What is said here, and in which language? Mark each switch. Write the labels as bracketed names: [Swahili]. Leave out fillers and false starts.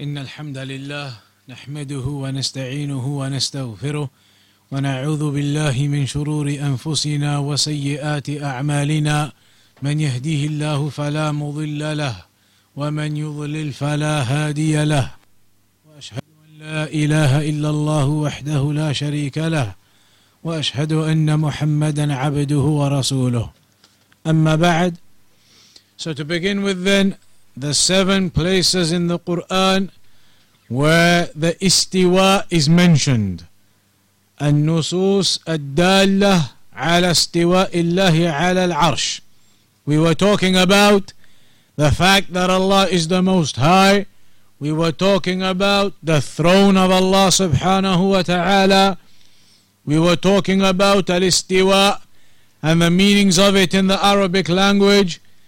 [Arabic] إن الحمد لله نحمده ونستعينه ونستغفره ونعوذ بالله من شرور أنفسنا وسيئات أعمالنا من يهديه الله فلا مضل له ومن يضلل فلا هادي له وأشهد أن لا إله إلا الله وحده لا شريك له وأشهد أن محمدا عبده ورسوله أما بعد. [English] So to begin with then, the seven places in the Quran where the istiwa is mentioned. [Arabic] النصوص الدالة على استواء الله على العرش. [English] We were talking about the fact that Allah is the Most High. We were talking about the throne of Allah subhanahu wa ta'ala. We were talking about al-istiwa and the meanings of it in the Arabic language.